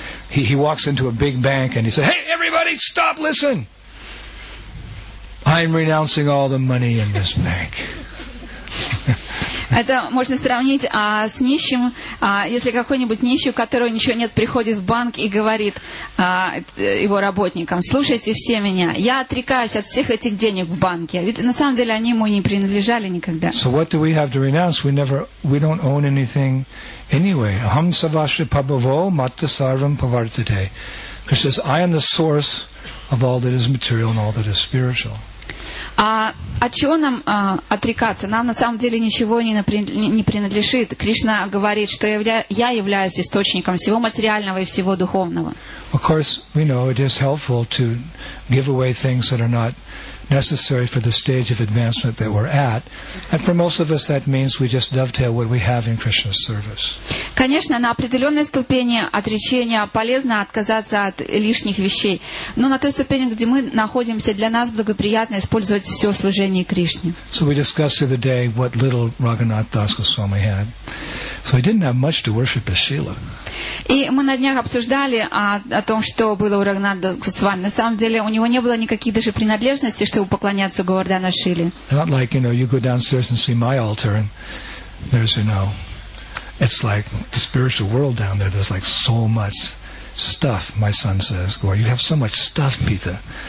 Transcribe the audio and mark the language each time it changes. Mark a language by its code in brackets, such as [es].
[en] He walks into a big bank and he says, "Hey, everybody, stop, listen. I'm renouncing all the money in this bank." [ru] Это можно сравнить с нищим, если какой-нибудь нищий, у которого ничего нет, приходит в банк и говорит его работникам: "Слушайте все меня, я отрекаюсь от всех этих денег в банке". Ведь на самом деле они ему не принадлежали никогда. [en] So what do we have to renounce? We don't own anything anyway. [sa] Aham savashri pabhavo matta sarvam pavartate. [en] Krishna says, "I am the source of all that is material and all that is spiritual." [ru] А от чего нам отрекаться? Нам на самом деле ничего не принадлежит. Кришна говорит, что я являюсь источником всего материального и всего духовного. [en] Of course, we know it is helpful to give away things that are not necessary for the stage of advancement that we're at. And for most of us, that means we just dovetail what we have in Krishna's service. [ru] Конечно, на определенной ступени отречения полезно отказаться от лишних вещей. Но на той ступени, где мы находимся, для нас благоприятно использовать все в служении Кришне. [en] So we discussed the other day what little Raghunath Das Goswami had. So he didn't have much to worship as Shila. [ru] И мы на днях обсуждали о том, что было у Раганатха Дас Госвами. На самом деле, у него не было никаких даже принадлежностей, чтобы поклоняться Говардхана Шиле. [en] Not like, you know, you go downstairs and see my altar, and there's, you know, it's like the spiritual world down there. There's like so much stuff, my son says, "Gaur, you have so much stuff, Pita."